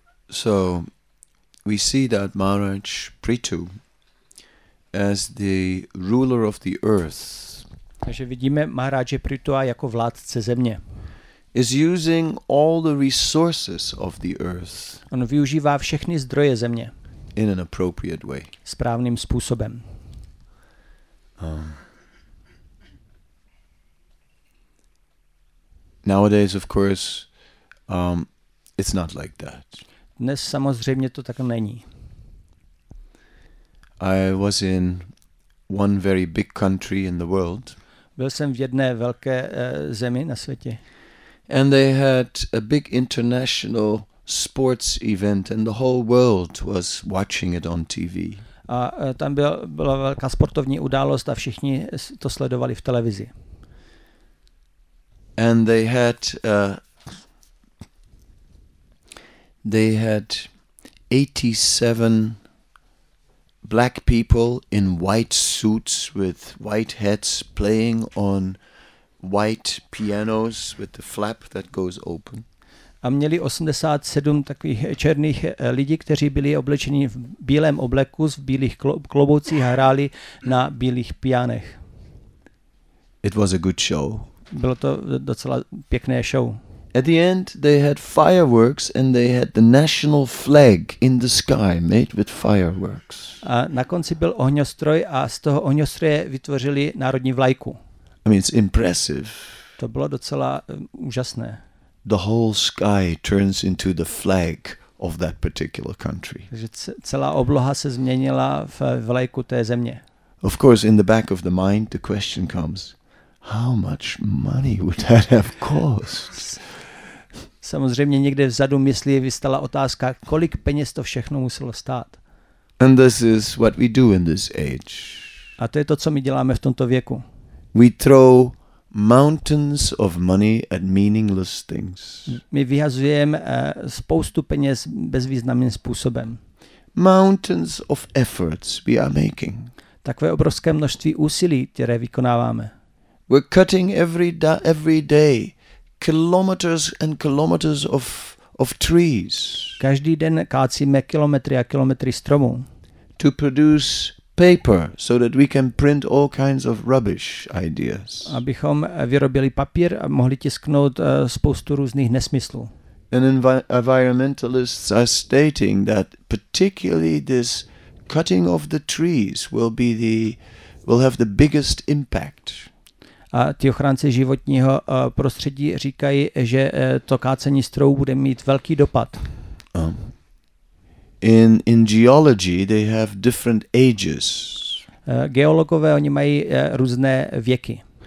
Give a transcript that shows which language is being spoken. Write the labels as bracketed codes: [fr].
[en] So, we see that Maharaj Prithu, as the ruler of the earth, [cs] takže vidíme Maharaje Prithua jako vládce země, [en] is using all the resources of the earth. [cs] On využívá všechny zdroje země [en] in an appropriate way. [cs] Správným způsobem. [en] Nowadays, of course, it's not like that. [cs] Dnes samozřejmě to tak není. [en] I was in one very big country in the world. [cs] Byl jsem v jedné velké zemi na světě. [en] And they had a big international sports event and the whole world was watching it on TV. [cs] A tam byla velká sportovní událost a všichni to sledovali v televizi. [en] And they had 87 black people in white suits with white hats playing on white pianos with the flap that goes open. [cs] A měli 87 takových černých lidí, kteří byli oblečeni v bílém obleku s bílých kloboucích a hráli na bílých pianech. [en] It was a good show. [cs] Bylo to docela pěkné show. [en] At the end they had fireworks and they had the national flag in the sky made with fireworks. [cs] A na konci byl ohňostroj a z toho ohňostroje vytvořili národní vlajku. [en] I mean, it's impressive. [cs] To bylo docela úžasné. [en] The whole sky turns into the flag of that particular country. [cs] Takže celá obloha se změnila v vlajku té země. [en] Of course, in the back of the mind the question comes, how much money would that have cost? [cs] Samozřejmě někde vzadu myslí vystala otázka, kolik peněz to všechno muselo stát. [en] And this is what we do in this age. [cs] A to je to, co my děláme v tomto věku. [en] We throw mountains of money at meaningless things. [cs] My vyhazujeme spoustu peněz bezvýznamným způsobem. [en] Mountains of efforts we are making. [cs] Takové obrovské množství úsilí, které vykonáváme. [en] We're cutting every day kilometers and kilometers of trees. [cs] Každý den kácíme kilometry a kilometry stromů. [en] To produce paper so that we can print all kinds of rubbish ideas. [cs] Abychom vyrobili papír a mohli tisknout spoustu různých nesmyslů. [en] And environmentalists are stating that particularly this cutting of the trees will have the biggest impact. [cs] A ti ochránci životního prostředí říkají, že to kácení stromů bude mít velký dopad. [en] In geology they have different ages. [cs] Geologové oni mají různé věky.